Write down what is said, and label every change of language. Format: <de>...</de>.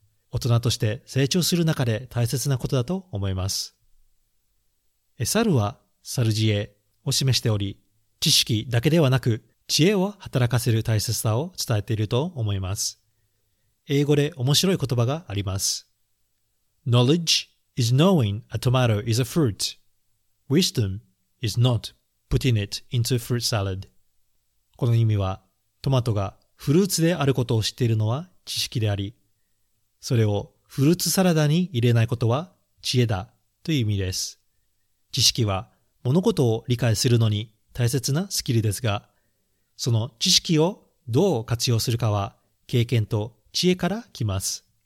<ja>大人として成長する中で大切なことだと思います。猿は猿知恵を示しており、知識だけではなく、知恵を働かせる大切さを伝えていると思います。英語で面白い言葉があります。</ja> <en>Knowledge is knowing a tomato is a fruit. Wisdom is not putting it into fruit salad.</en> <ja>この意味は、トマトがフルーツであることを知っているのは知識であり、それをフルーツサラダに入れないことは知恵だという意味です。知識は物事を理解するのに大切なスキルですが、その知識をどう活用するかは経験と知恵から来ます。</ja>